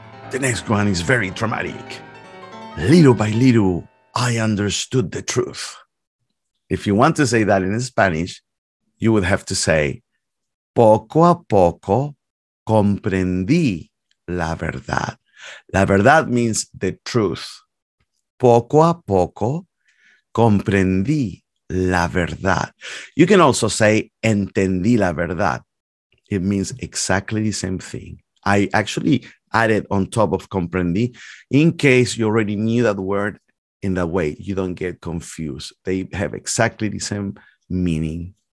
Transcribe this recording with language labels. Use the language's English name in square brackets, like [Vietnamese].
[English] The next one is very dramatic. Little by little, I understood the truth. If you want to say that in Spanish, you would have to say, [Spanish] poco a poco comprendí la verdad. [English] La verdad means the truth. [Spanish] Poco a poco comprendí la verdad. [English] You can also say, [Spanish] entendí la verdad. [English] It means exactly the same thing. I actually added on top of comprendí in case you already knew that word in that way. You don't get confused. They have exactly the same meaning.